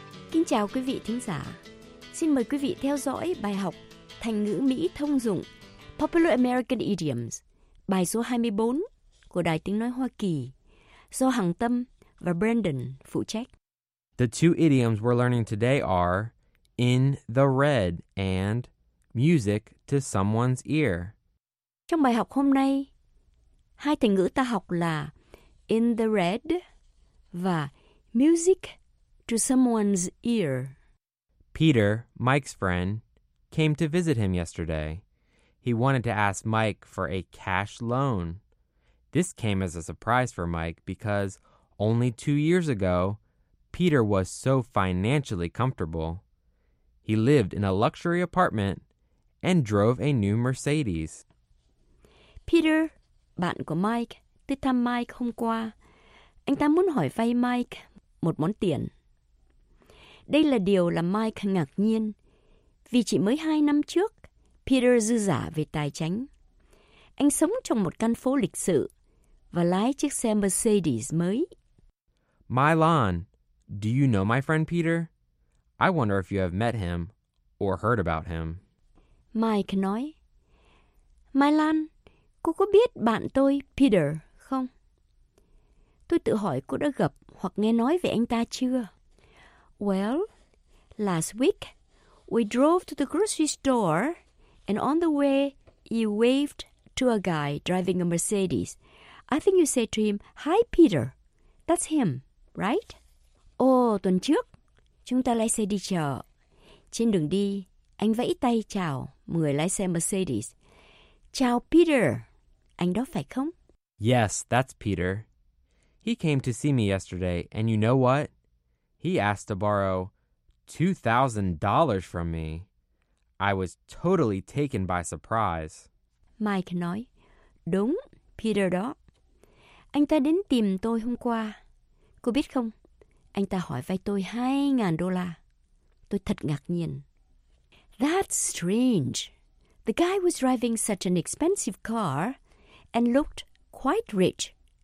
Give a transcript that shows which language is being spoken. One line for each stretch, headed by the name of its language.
Vietnamese: Kính chào quý vị thính giả. Xin mời quý vị theo dõi bài học thành ngữ Mỹ thông dụng Popular American Idioms, bài số 24 của Đài Tiếng Nói Hoa Kỳ, do Hằng Tâm và Brandon phụ trách.
English: The two idioms we're learning today are in the red and music to someone's ear.
Vietnamese: Trong bài học hôm nay, hai thành ngữ ta học là in the red và music to someone's ear.
English: Peter, Mike's friend, came to visit him yesterday. He wanted to ask Mike for a cash loan. This came as a surprise for Mike because only 2 years ago, Peter was so financially comfortable. He lived in a luxury apartment and drove a new Mercedes.
Vietnamese: Peter, bạn của Mike, tới thăm Mike hôm qua. Anh ta muốn hỏi vay Mike một món tiền. Đây là điều làm Mike ngạc nhiên, vì chỉ mới 2 năm trước, Peter dư giả về tài chính. Anh sống trong một căn phố lịch sự và lái chiếc xe Mercedes mới.
English: Milan, do you know my friend Peter? I wonder if you have met him or heard about him.
Vietnamese: Mike nói, Milan, cô có biết bạn tôi Peter không? Tôi tự hỏi cô đã gặp hoặc nghe nói về anh ta chưa?
English: Well, last week, we drove to the grocery store, and on the way, you waved to a guy driving a Mercedes. I think you said to him, hi, Peter. That's him, right?
Vietnamese: Oh, tuần trước, chúng ta lái xe đi chợ. Trên đường đi, anh vẫy tay chào một người lái xe Mercedes. Chào, Peter. Anh đó phải không?
English: Yes, that's Peter. He came to see me yesterday, and you know what? He asked to borrow $2,000 from me. I was totally taken by surprise.
Vietnamese: Mike nói, đúng, Peter đó. Anh ta đến tìm tôi hôm qua. Cô biết không, anh ta hỏi vay tôi $2,000. Tôi thật ngạc nhiên.
English: That's strange. The guy was driving such an expensive car and looked quite rich.